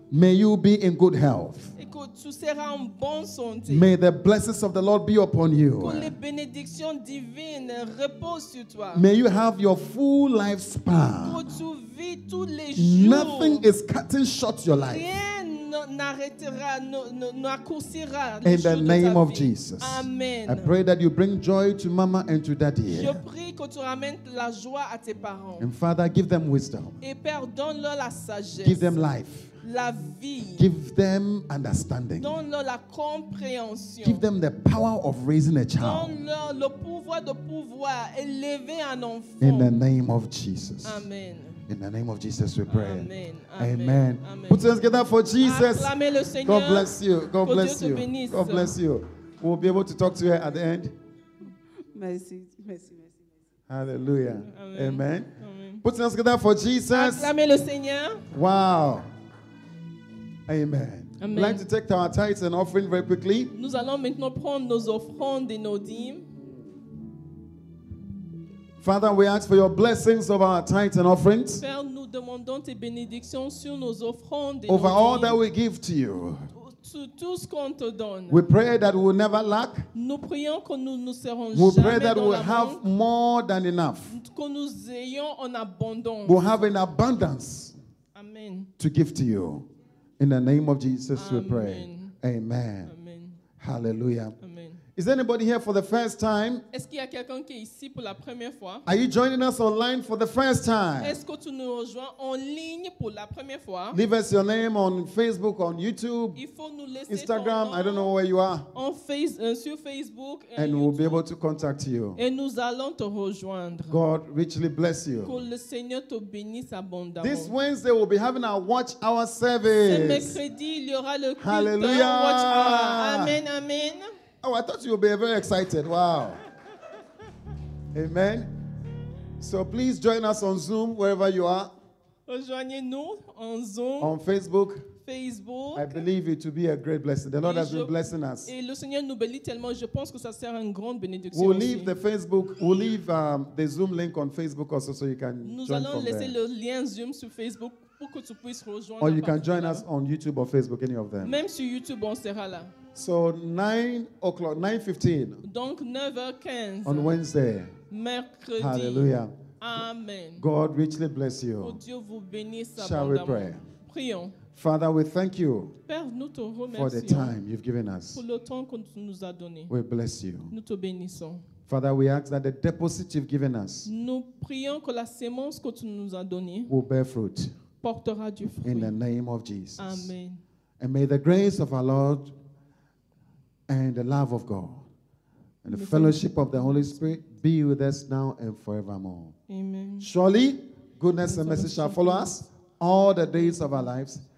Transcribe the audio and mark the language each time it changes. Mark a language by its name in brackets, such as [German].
[English] May you be in good health. [French] Tu seras en bonne santé. [English] May the blessings of the Lord be upon you. [French] Que les bénédictions divines reposent sur toi. [English] May you have your full lifespan. [French] Que tu vis tous les jours. [English] Nothing is cutting short your life. [French] Rien n'arrêtera, n'accourcira les jours de ta vie. [English] In the name of [French] vie. [English] Jesus. Amen. I pray that you bring joy to mama and to daddy. [French] Je prie que tu ramènes la joie à tes parents. [English] And Father, give them wisdom. [French] Et Père, donne-leur la sagesse. [English] Give them life. [French] La vie. [English] Give them understanding. [French] Donne-leur la compréhension. [English] Give them the power. power of raising a child. [French] Le pouvoir de pouvoir élever un enfant. [English] In the name of Jesus. Amen. In the name of Jesus, we pray. Amen. Amen. Amen. Put your hands together for Jesus. [French] Acclamez le Seigneur. [English] God bless you. God bless [French] Dieu [English] you. God bless you. We'll be able to talk to you at the end. [French] Merci. Merci. [English] Hallelujah. Amen. Amen. Amen. Put your hands together for Jesus. Acclamez le Seigneur. Wow. Amen. Amen. I'd like to take our tithes and offering very quickly. [French] Nous allons maintenant prendre nos offrandes et nos dîmes. [English] Father, we ask for your blessings over our tithes and offerings. [French] Père, nous demandons tes bénédictions sur nos offrandes et [English] over [French] nos dîmes. [English] All that we give to you. [French] Tout ce qu'on te donne. [English] We pray that we'll never lack. [French] Nous prions que nous ne serons [English] we'll [French] jamais [English] pray that [French] dans [English] we'll [French] la [English] have [French] banque. [English] More than enough. [French] Que nous ayons en abondance. [English] We'll have an abundance. Amen. To give to you. In the name of Jesus, Amen. We pray. Amen. Amen. Hallelujah. Amen. Is anybody here for the first time? [French] Est-ce qu'il y a quelqu'un qui est ici pour la première fois? [English] Are you joining us online for the first time? [French] Est-ce que tu nous rejoins en ligne pour la première fois? [English] Leave us your name on Facebook, on YouTube, [French] il faut nous laisser [English] Instagram, [French] ton nom [English] I don't know where you are. [French] En face, sur Facebook et [English] and [French] YouTube. [English] We'll be able to contact you. [French] Et nous allons te rejoindre. [English] God richly bless you. [French] Que le Seigneur te bénisse abondamment. [English] This Wednesday we'll be having our watch hour service. [French] Ce mercredi, il y aura le culte. [English] Hallelujah. Watch hour. Amen, amen. Oh, I thought you would be very excited. Wow. Amen. So please join us on Zoom, wherever you are. [French] Rejoignez-nous en Zoom. [English] On Facebook. [French] Facebook. [English] I believe it to be a great blessing. The Lord has been blessing us. [French] Et le Seigneur nous bénit tellement, je pense que ça sera une grande bénédiction. [English] We'll leave the Facebook, we'll leave the Zoom link on Facebook also so you can [French] nous [English] from there. [French] Nous allons laisser le lien Zoom sur Facebook pour que tu puisses rejoindre. [English] Or you can join us on YouTube or Facebook, any of them. [French] Même sur YouTube, on sera là. [English] So 9 o'clock, 9:15. [French] Donc 9h15. [English] On Wednesday. [French] Mercredi. [English] Hallelujah. Amen. God richly bless you. [French] Oh, Dieu vous bénisse. [English] Shall we pray? [French] Prions. [English] Father, we thank you. [French] Père, nous te remercions [English] for the time you've given us. [French] Pour le temps que tu nous as donné. [English] We bless you. [French] Nous te bénissons. [English] Father, we ask that the deposit you've given us. [French] Nous prions que la semence que tu nous as donné [English] will bear fruit. [French] Portera du fruit. [English] In the name of Jesus. Amen. And may the grace of our Lord and the love of God and the fellowship of the Holy Spirit be with us now and forevermore. Amen. Surely, goodness and mercy shall follow us all the days of our lives.